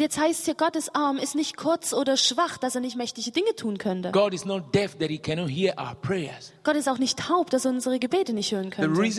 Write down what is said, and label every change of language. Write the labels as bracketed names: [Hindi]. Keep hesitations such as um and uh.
[German] jetzt heißt hier Gottes Arm ist nicht kurz oder schwach, dass er nicht mächtige Dinge tun könnte. [English] God is not deaf that he cannot hear our prayers. [German] Gott ist auch nicht taub, dass er unsere Gebete nicht hören könnte.